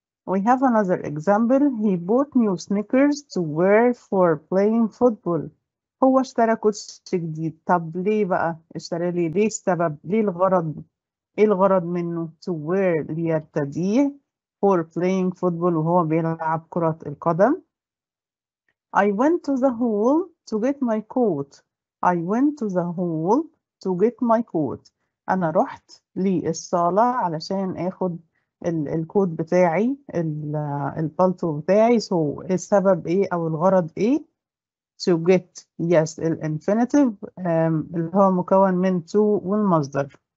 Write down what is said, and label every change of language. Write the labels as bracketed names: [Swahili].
[English] We have another example. He bought new sneakers to wear for playing football. [Arabic] هو اشترى كوتشي جديد. طب ليه بقى اشترى ليه? ليه السبب? ليه الغرض? ايه الغرض منه? [English] To wear ليرتديه for playing football [Arabic] وهو بيلعب كرة القدم. [English] I went to the hall to get my coat. I went to the hall to get my coat. [Arabic] أنا رحت للصالة علشان آخد الكود بتاعي البالتو بتاعي. سو السبب ايه او الغرض ايه? [English] To get, yes, [Arabic] الانفينيتيف اللي هو مكون من to والمصدر.